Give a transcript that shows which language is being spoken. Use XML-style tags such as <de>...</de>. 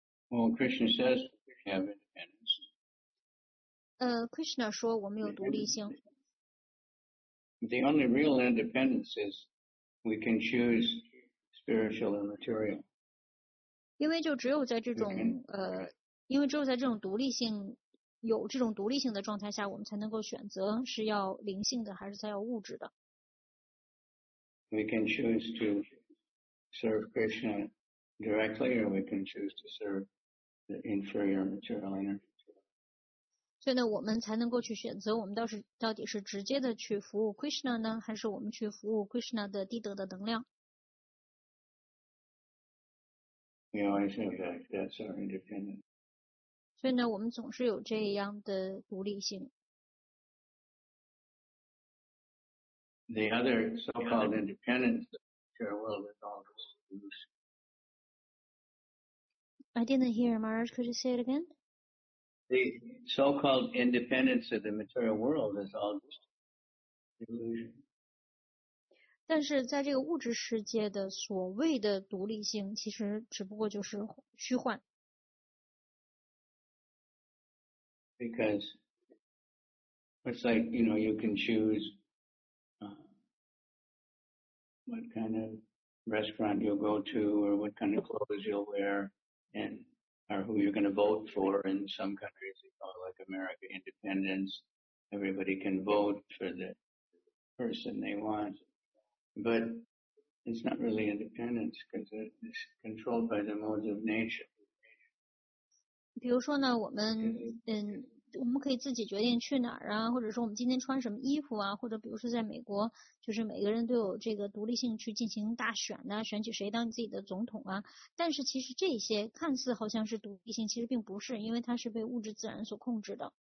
<en>Well, Krishna says we have independence.</en> <zh>Krishna 说我们有独立性。</zh> <en>The only real independence is we can choose spiritual and material.</en> <zh>因为就只有在这种因为只有在这种独立性有这种独立性的状态下，我们才能够选择是要灵性的还是才要物质的。</zh> <en>We can choose to serve Krishna directly, or we can choose to serve the inferior material energy.</en> <zh>所以呢，我们才能够去选择，我们到底是直接的去服务 Krishna 呢，还是我们去服务 Krishna 的低德的能量</zh> <en>？Yeah, I think that's our independence.</en> <zh>所以呢，我们总是有这样的独立性。</zh> <en>The other so-called independence of the world is all delusion. I didn't hear, Maharaj. Could you say it again? The so-called independence of the material world is all just illusion.</en> <zh>但是在这个物质世界的所谓的独立性，其实只不过就是虚幻。</zh> <en>Because it's like, you know, you can choose what kind of restaurant you'll go to, or what kind of clothes you'll wear, and... or who you're going to vote for in some countries, you know, like America, independence. Everybody can vote for the person they want. But it's not really independence because it's controlled by the modes of nature.</en> <zh>比如说呢，我们我们可以自己决定去哪儿啊，或者说我们今天穿什么衣服啊，或者比如说在美国，就是每个人都有这个独立性去进行大选啊，选举谁当你自己的总统啊。但是其实这些看似好像是独立性，其实并不是，因为它是被物质自然所控制的。</zh>